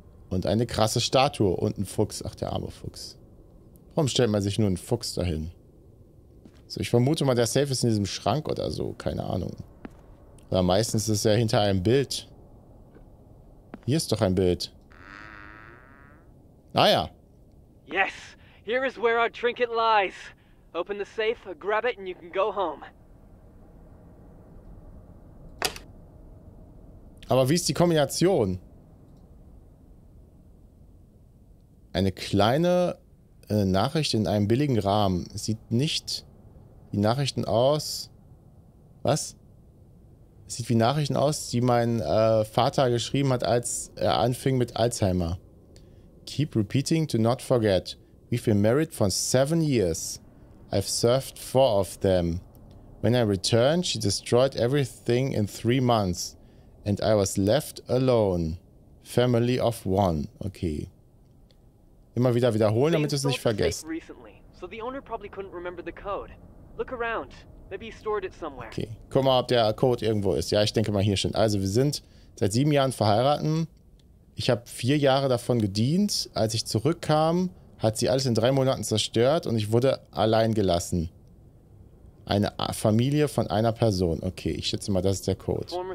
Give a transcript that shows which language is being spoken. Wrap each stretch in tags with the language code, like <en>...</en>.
<de>Und eine krasse Statue und ein Fuchs. Ach, der arme Fuchs. Warum stellt man sich nur einen Fuchs dahin? So, ich vermute mal, der Safe ist in diesem Schrank oder so. Keine Ahnung. Weil meistens ist er hinter einem Bild. Hier ist doch ein Bild. Ah ja.</de> <en>Yes, here is where our trinket lies. Open the safe, grab it and you can go home.</en> <de>Aber wie ist die Kombination? Eine kleine Nachricht in einem billigen Rahmen. Sieht nicht wie Nachrichten aus. Was? Sieht wie Nachrichten aus, die mein Vater geschrieben hat, als er anfing mit Alzheimer.</de> <en>Keep repeating to not forget. We've been married for 7 years. I've served 4 of them. When I returned, she destroyed everything in 3 months. And I was left alone. Family of one. Okay.</en> <de>Immer wieder wiederholen, damit du es nicht vergisst.</de> <en>Recently, so the owner probably couldn't remember the code. Look around. Maybe he stored it somewhere. Okay.</en> <de>Guck mal, ob der Code irgendwo ist. Ja, ich denke mal, hier schon. Also, wir sind seit 7 Jahren verheiratet. Ich habe 4 Jahre davon gedient. Als ich zurückkam, hat sie alles in 3 Monaten zerstört und ich wurde allein gelassen. Eine Familie von einer Person. Okay, ich schätze mal, das ist der Code.</de>